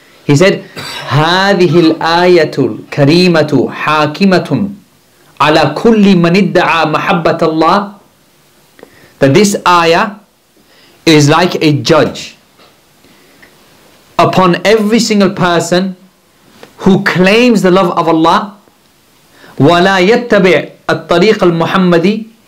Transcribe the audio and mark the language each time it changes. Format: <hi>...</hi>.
<en>He said,</en> <ar>هذه الآية الكريمة حاكمة على كل من ادعى محبة الله.</ar> <en>That this ayah is like a judge upon every single person who claims the love of Allah.</en> <ar>ولا يتبع الطريق المحمدي.</ar>